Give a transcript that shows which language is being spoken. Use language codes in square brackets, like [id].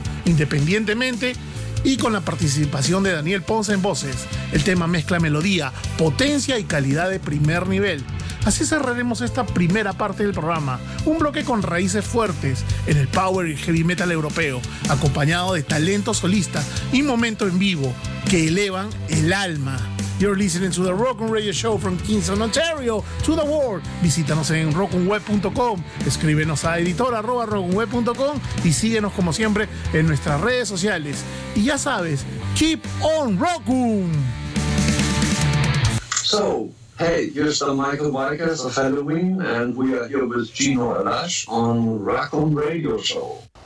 [es] Independientemente y con la participación de Daniel Ponce en voces, el tema mezcla melodía, potencia y calidad de primer nivel. Así cerraremos esta primera parte del programa, un bloque con raíces fuertes en el power y heavy metal europeo, acompañado de talento solista y momento en vivo que elevan el alma. [en] You're listening to the Rock'n Radio Show from Kingston, Ontario to the world. [es] Visítanos en rockunweb.com, escríbenos a editor@rockunweb.com y síguenos como siempre en nuestras redes sociales. Y ya sabes, [en] keep on rockun. So, hey, here's Michael Marquez of Halloween, and we are here with Gino Alash on Rock'n Radio Show.